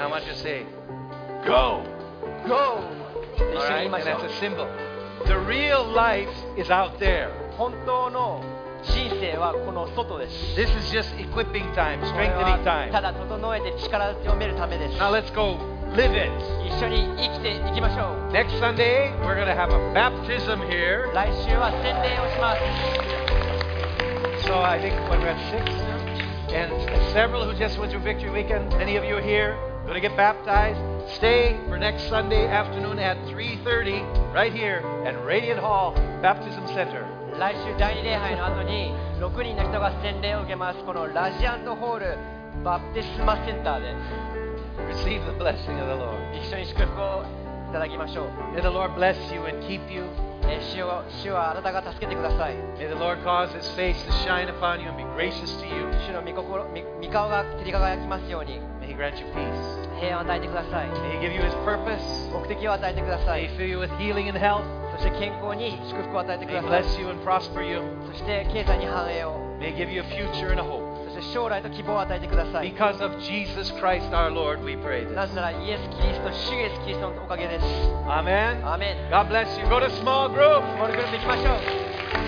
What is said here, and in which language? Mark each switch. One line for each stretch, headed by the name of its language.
English: And I want you to say, go, go. All right, and that's a symbol. The real life is out there.
Japanese: 本当の人生はこの外です。
English: This is just equipping time, strengthening time.
Japanese: ただ整えて力を強めるためです。
English: Now let's go. Live it.
Japanese: 一緒に生きていきましょう。
English: Next Sunday, we're going to have a baptism here.
Japanese: 来週は洗礼をします。
English: So I think when we're at six, and several who just went to Victory Weekend, many of you are here, going to get baptized. Stay for next Sunday afternoon at 3:30, right here at Radiant Hall Baptism Center.
Japanese: 来週第二礼拝の後に6人の人が洗礼を受けます。このラジアントホールバプテスマセンターです。
English: Receive the blessing of the Lord.
Japanese: 一緒に祝福をいただきましょう。
English: May the Lord bless you and keep you.
Japanese: 主はあなたが助けてください。
English: May the Lord cause His face to shine upon you and be gracious to you.
Japanese: 主の御顔が照り輝きますように。
English: May He grant you peace.
Japanese: 平安を与えてください。
English: May He give you His purpose.
Japanese: 目的を与えてください。
English: May He fill you with healing and health.
Japanese: そして健康に祝福を与えてください。
English: May He bless you and prosper you.
Japanese: そして経済に繁栄を。
English: May He give you a future and a hope.
Japanese: 将来と希望を与えてください。
English: Because of Jesus Christ our Lord, we pray this.
Japanese: なぜならイエス・キリスト、主イエス・キリストのおかげです。
English: Amen. Amen. God bless you. Go to small group.
Japanese: スモールグループ行きましょう。